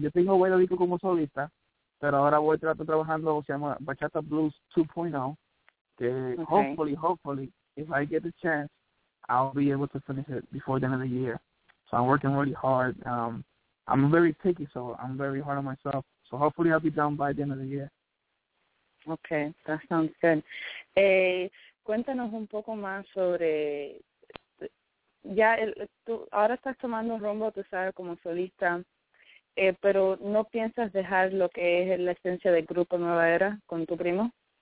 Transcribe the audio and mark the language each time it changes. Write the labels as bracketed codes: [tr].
[es] Yo tengo bueno disco como solista, pero ahora voy a estar trabajando, se llama Bachata Blues 2.0, que [en] okay. hopefully, if I get the chance, I'll be able to finish it before the end of the year. So I'm working really hard. I'm very picky, so I'm very hard on myself. So hopefully I'll be done by the end of the year. Okay, that sounds good. [es] Cuéntanos un poco más sobre, tú ahora estás tomando rumbo, tú sabes, como solista, pero ¿no piensas dejar lo que es la esencia del grupo Nueva Era con tu primo?